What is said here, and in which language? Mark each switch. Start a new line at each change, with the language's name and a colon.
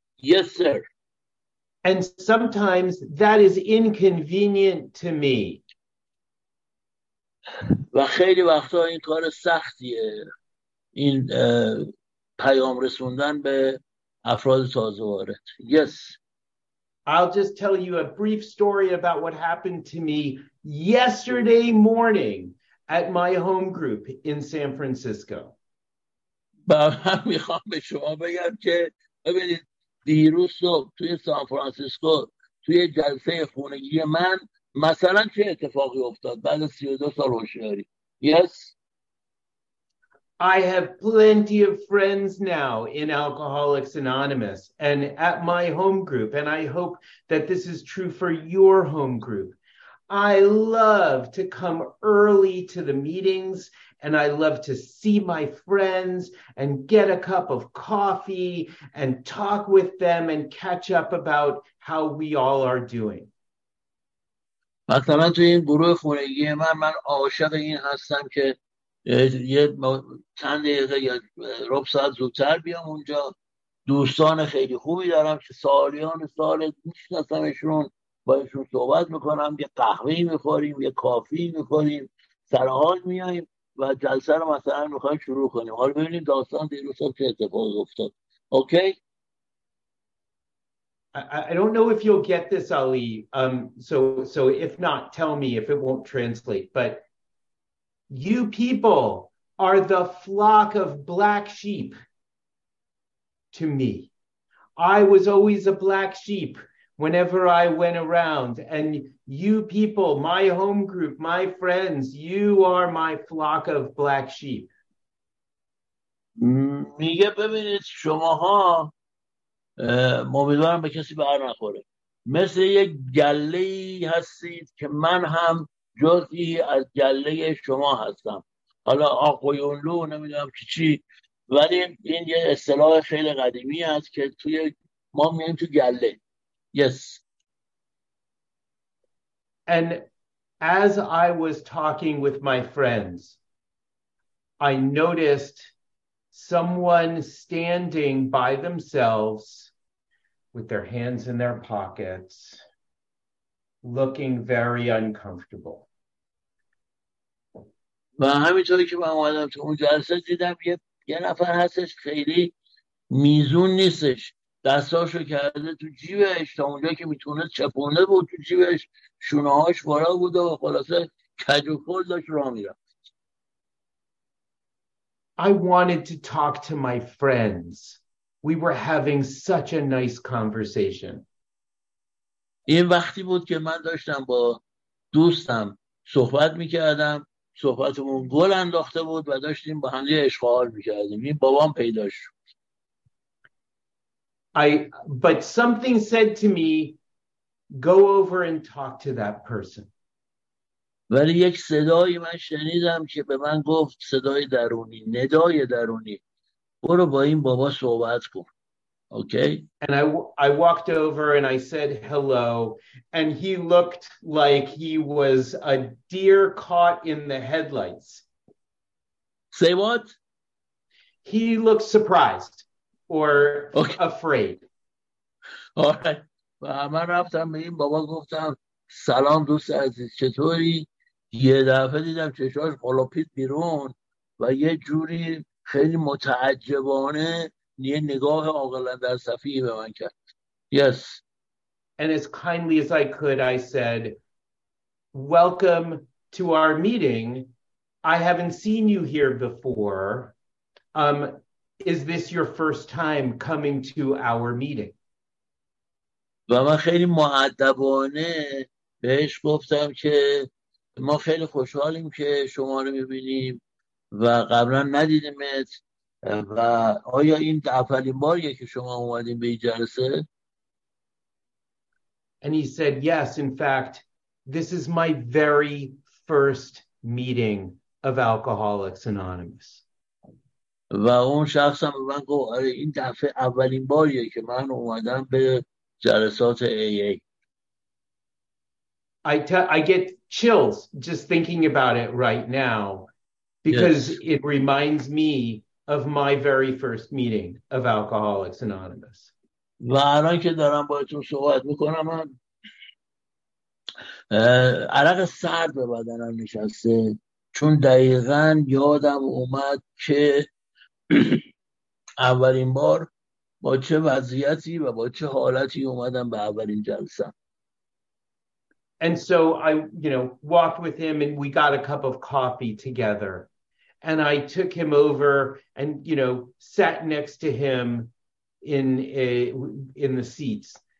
English: Yes, sir. And sometimes that is inconvenient to me.
Persian: و خیلی وقتا این کار سختیه، این پیام رسوندن به افراد تازه وارد.
English: Yes. I'll just tell you a brief story about what happened to me yesterday morning at my home group in San Francisco.
Persian: من میخوام به شما بگم که ببینید دیروز صبح توی سان فرانسیسکو توی جلسه خونگی من مثلا چه اتفاقی افتاد بعد از 32 سال هوشیاری.
English: Yes. I have plenty of friends now in Alcoholics Anonymous and at my home group, and I hope that this is true for your home group. I love to come early to the meetings and I love to see my friends and get a cup of coffee and talk with them and catch up about how we all are doing.
Persian: مثلا تو این گروه خونگی من عاشق این هستم که یه چند دقیقه یا ربع ساعت زودتر بیام اونجا. دوستان خیلی خوبی دارم که سالیان سال میشناسمشون، باهاشون صحبت میکنم، یه قهوه میخوریم، یه کافی میخوریم، سر حال میایم و جلسه رو مثلا میخوایم شروع کنیم. حالا ببینیم داستان دیروز چه اتفاقی افتاد. اوکی.
English: I don't know if you'll get this, Ali. So if not, tell me if it won't translate. But you people are the flock of black sheep to me. I was always a black sheep whenever I went around. And you people, my home group, my friends, you are my flock of black sheep.
Persian: میگه ببینید شماها امیدوارم به کسی بر نخوره، مثل یک گله ای هستید که من هم جزئی از گله شما هستم. حالا آقویونلو نمیدونم که چی، ولی این یه اصطلاح خیلی قدیمی است که توی ما میگیم تو گله.
English: Yes. And as I was talking with my friends, I noticed someone standing by themselves with their hands in their pockets, looking very uncomfortable.
Persian: و همینطوری که من اومدم تو اون جلسه دیدم یه نفر هستش خیلی میزون نیستش، دستاشو کرده تو جیبش تا اونجا که میتونست چپونه بود تو جیبش، شونه هاش بالا بوده و خلاصه کج و کول داشت راه میرفت.
English: I wanted to talk to my friends. We were having such a nice conversation.
Persian: این وقتی بود که من داشتم با دوستم صحبت می‌کردم، صحبتمون گل انداخته بود و داشتیم با هم یه عشق حال می‌کردیم. این بابام پیدا شد.
English: But something said to me, go over and talk to that person.
Persian: ولی یک صدایی من شنیدم که به من گفت، صدای درونی، ندای درونی، برو با این بابا صحبت کن.
English: Okay. And I walked over and I said hello, and he looked like he was a deer caught in the headlights. Say what? He looked surprised or okay. Afraid.
Persian: آره. و من رفتم به این بابا گفتم سلام دوست عزیز چطوری؟ یه دفعه دیدم چشاش قلاپید بیرون و یه جوری خیلی متعجبانه یه نگاه عاقلاندرصفی به من کرد.
English: Yes. And as kindly as I could, I said, welcome to our meeting. I haven't seen you here before. Is this your first time coming to our meeting?
Persian: و من خیلی مؤدبانه بهش گفتم که ما خیلی خوشحالیم که شما رو میبینیم و قبلا ندیدیمت، و آیا این اولین باریه که شما اومدیم به این جلسه؟
English: And he said, yes, in fact, this is my very first meeting of Alcoholics Anonymous.
Persian: و اون شخص هم به من گفت، آره این دفعه اولین باریه که من اومدم به جلسات AA.
English: I get chills just thinking about it right now, because yes. It reminds me of my very first meeting of Alcoholics Anonymous.
Persian: و الان که دارم باهاتون صحبت میکنم من عرق سرد به بدنم نشسته، چون دقیقا یادم اومد که اولین بار با چه وضعیتی و با چه حالتی اومدم به اولین جلسه.
English: And so I, you know, walked with him and we got a cup of coffee together. And I took him over and, you know, sat next to him in the seats.